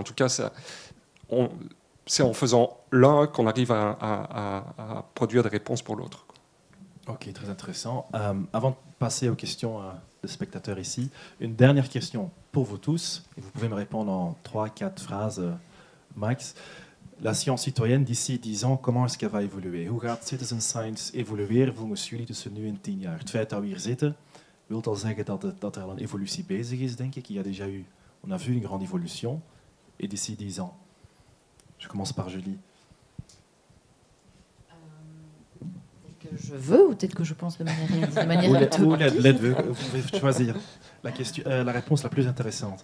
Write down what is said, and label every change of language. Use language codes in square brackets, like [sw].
[fr] En tout cas, c'est en faisant l'un qu'on arrive à produire des réponses pour l'autre. Ok, très intéressant. Avant de passer aux questions des spectateurs ici, une dernière question pour vous tous, et vous pouvez me répondre en 3-4 phrases, max. La science citoyenne, d'ici 10 ans, comment est-ce qu'elle va évoluer? [nl] Hoe gaat citizen science [fr] évoluer, vous, monsieur, [nl] jullie, tussen nu en 10 jaar? Het feit dat we hier zitten, wil al zeggen dat er al een évolutie bezig is, denk ik. [fr] Il y a déjà eu, on a vu une grande évolution, et d'ici 10 ans, je commence par Julie. Je veux ou peut-être que je pense de manière intuitive. Vous pouvez choisir la réponse la plus intéressante.